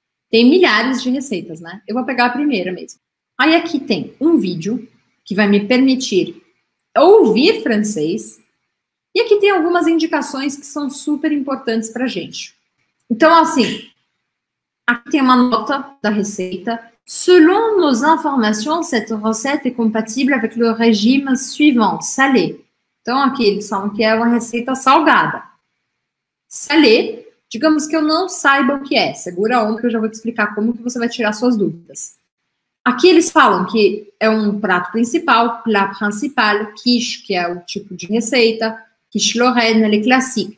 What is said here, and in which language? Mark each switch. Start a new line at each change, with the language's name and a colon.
Portuguese: Tem milhares de receitas, né? Eu vou pegar a primeira mesmo. Aí aqui tem um vídeo que vai me permitir ouvir francês. E aqui tem algumas indicações que são super importantes para a gente. Então, assim, aqui tem uma nota da receita.
French: Selon nos informations, cette recette est compatible avec le régime suivant, salé.
Portuguese: Então, aqui eles falam que é uma receita salgada. Salé, digamos que eu não saiba o que é. Segura a onda que eu já vou te explicar como que você vai tirar suas dúvidas. Aqui eles falam que é um prato principal, plat principal, quiche, que é o tipo de receita, quiche Lorraine, le classique.